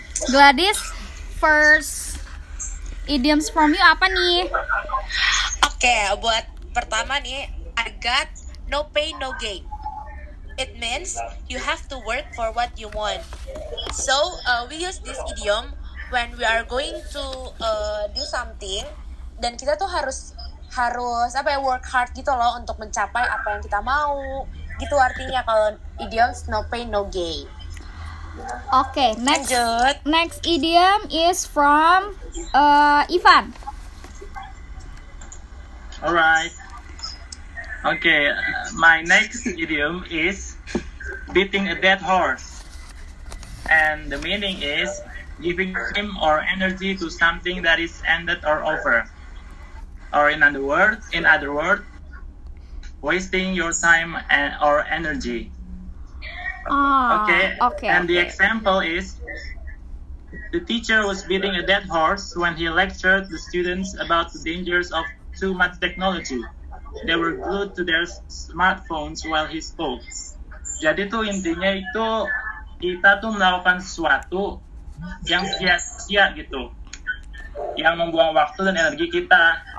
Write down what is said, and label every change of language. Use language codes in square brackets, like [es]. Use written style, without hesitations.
[en] Gladys, first idioms from you apa nih? Okay, [id] buat pertama nih, [en] I got no pain no gain. It means you have to work for what you want. So we use this idiom when we are going to do something. [id] Dan kita tuh harus apa ya, [en] work hard [id] gitu loh untuk mencapai apa yang kita mau. Gitu artinya kalau idioms [en] no pain no gain. Okay, next idiom is from Ivan. Alright. Okay, my next idiom is beating a dead horse. And the meaning is giving time or energy to something that is ended or over. Or in other words, wasting your time or energy. And the example is, the teacher was beating a dead horse when he lectured the students about the dangers of too much technology. They were glued to their smartphones while he spoke. [id] Jadi tuh intinya itu, kita tuh melakukan sesuatu yang sia-sia gitu, yang membuang waktu dan energi kita.